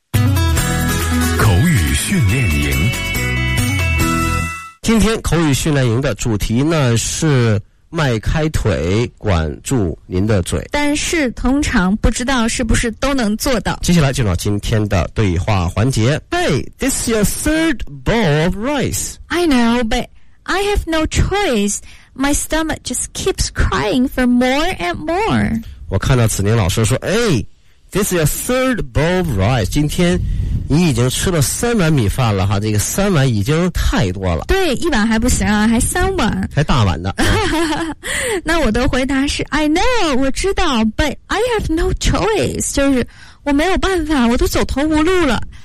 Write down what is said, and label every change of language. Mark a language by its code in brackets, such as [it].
[zh] 口语训练营，今天口语训练营的主题呢是迈开腿，管住您的嘴。但是通常不知道是不是都能做到。接下来进入到今天的对话环节。 [en] Hey, this is your third bowl of rice. I know, but I have no choice. My stomach just keeps crying for more and more. [zh] 我看到子宁老师说， [en] this is your third bowl of rice. [zh] 今天你已经吃了三碗米饭了哈，这个三碗已经太多了。对，一碗还不行啊，还三碗，还大碗的。那我的回答是 [en] I know， [zh] 我知道， [en] but I have no choice， [zh] 就是我没有办法，我都走投无路了。